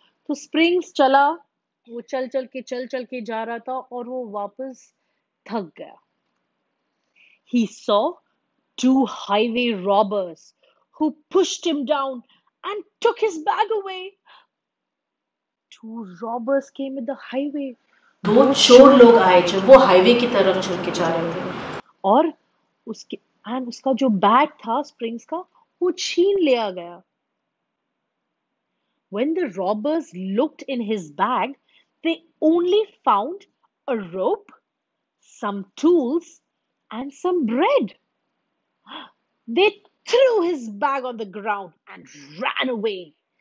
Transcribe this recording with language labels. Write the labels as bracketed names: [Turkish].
[Hindi] So Springs chala, wo chal ke ja raha tha aur wo wapas thak gaya. [English] He saw two highway robbers who pushed him down and took his bag away. Two robbers came in the highway. [Hindi] दो चोर लोग आए जो वो highway की तरफ चल के जा रहे थे. और उसके एंड उसका जो बैग था स्प्रिंग्स का वो छीन लिया गया. [English] When the robbers looked in his bag, they only found a rope, some tools, and some bread. They threw his bag on the ground and ran away.